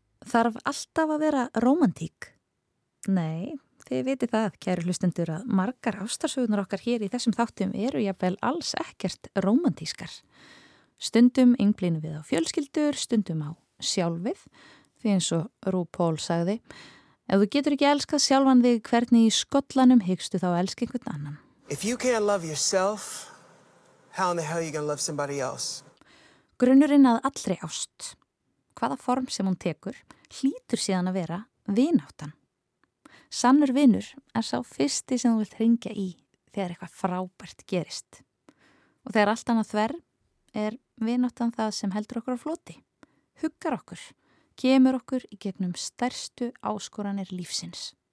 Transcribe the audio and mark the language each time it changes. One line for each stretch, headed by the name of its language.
Icelandic: Þarf alltaf að vera rómantík? Nei, þið vitið það, kæru hlustendur, að margar ástarsögunar okkar hér í þessum þáttum eru jafnvel alls ekkert rómantískar. Stundum einblínum við á fjölskyldur, stundum á sjálfið, því eins og RuPaul sagði, ef þú getur ekki elskað sjálfan þig, hvernig í skollanum hyggstu þá elska einhvern annan?
English: If you can't love yourself, how in the hell are you gonna love somebody else?
Icelandic: Grunnurinn að allri ást. Hvaða form sem hún tekur, hlýtur síðan að vera vináttan. Sannur vinur er sá fyrsti sem þú vilt hringja í þegar eitthvað frábært gerist. Og þegar allt annað þver, er vináttan það sem heldur okkur á floti, huggar okkur, kemur okkur í gegnum stærstu áskoranir lífsins.